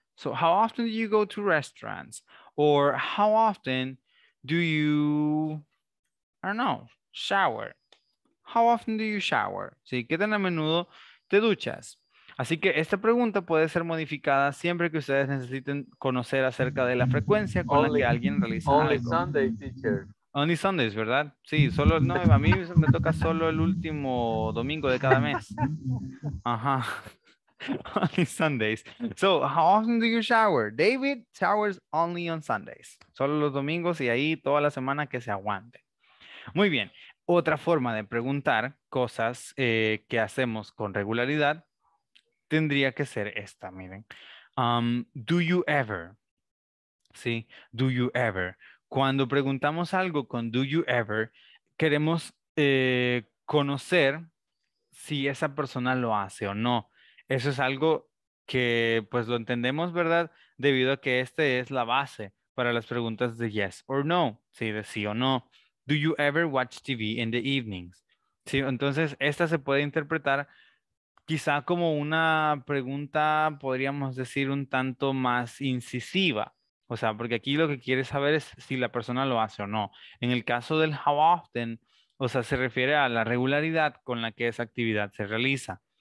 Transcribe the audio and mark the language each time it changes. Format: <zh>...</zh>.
<en>So, how often do you go to restaurants? Or, how often do you, I don't know, shower? How often do you shower?</en> <es>¿Sí? ¿Qué tan a menudo te duchas? Así que esta pregunta puede ser modificada siempre que ustedes necesiten conocer acerca de la frecuencia con la que alguien realiza</es> <en>only</en> <es>algo.</es> <en>Only Sunday, teacher. Only Sundays,</en> <es>¿verdad? Sí, solo, no, a mí me toca solo el último domingo de cada mes.</es> <en>Ajá. Only Sundays. So, how often do you shower? David showers only on Sundays.</en> <es>Solo los domingos y ahí toda la semana que se aguante. Muy bien. Otra forma de preguntar cosas que hacemos con regularidad tendría que ser esta, miren.</es> <en>Do you ever? ¿Sí? Do you ever?</en> <es>Cuando preguntamos algo con</es> <en>do you ever,</en> <es>queremos conocer si esa persona lo hace o no. Eso es algo que pues lo entendemos, ¿verdad? Debido a que esta es la base para las preguntas de</es> <en>yes or no,</en> <es>¿sí? De sí o no.</es> <en>Do you ever watch TV in the evenings?</en> <es>Sí, entonces esta se puede interpretar quizá como una pregunta, podríamos decir, un tanto más incisiva. O sea, porque aquí lo que quiere saber es si la persona lo hace o no. En el caso del how often, o sea, se refiere a la regularidad con la que esa actividad se realiza.</es>